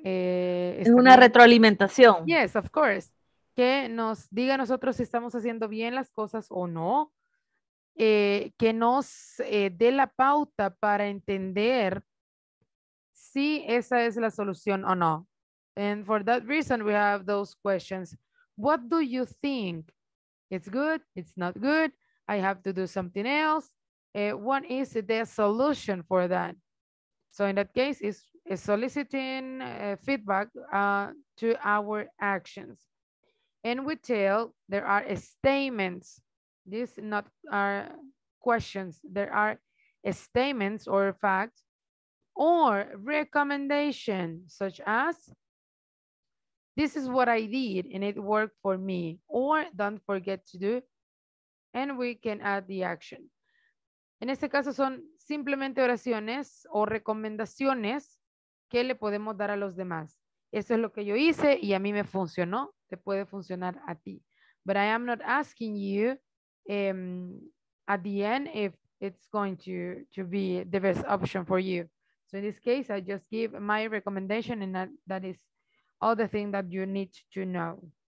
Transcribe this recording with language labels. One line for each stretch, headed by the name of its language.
Spanish: es una retroalimentación.
English: Yes, of course.
Spanish: Que nos diga a nosotros si estamos haciendo bien las cosas o no. Que nos dé la pauta para entender si esa es la solución o no.
English: And for that reason, we have those questions. What do you think? It's good? It's not good? I have to do something else? What is the solution for that? So in that case, it's soliciting feedback to our actions. And we tell there are statements. These not are questions. There are statements or facts or recommendations, such as, this is what I did and it worked for me, or don't forget to do, and we can add the action.
Spanish: En este caso son simplemente oraciones o recomendaciones que le podemos dar a los demás. Eso es lo que yo hice y a mí me funcionó. Te puede funcionar a ti.
English: But I am not asking you at the end if it's going to be the best option for you. So in this case, I just give my recommendation and that is all the thing that you need to know.